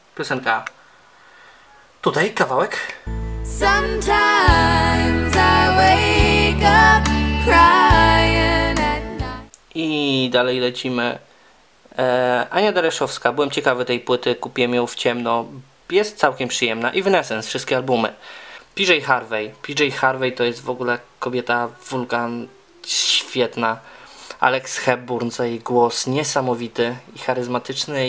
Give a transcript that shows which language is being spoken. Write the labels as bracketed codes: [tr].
[pl] Piosenka tutaj, kawałek. [en] Sometimes I wake up crying at night. [pl] I dalej lecimy. Ania Dereszowska, byłem ciekawy tej płyty, kupiłem ją w ciemno. Jest całkiem przyjemna. Evanescence, wszystkie albumy. PJ Harvey. PJ Harvey to jest w ogóle kobieta wulkan, świetna. Alex Hepburn za jej głos, niesamowity i charyzmatyczny.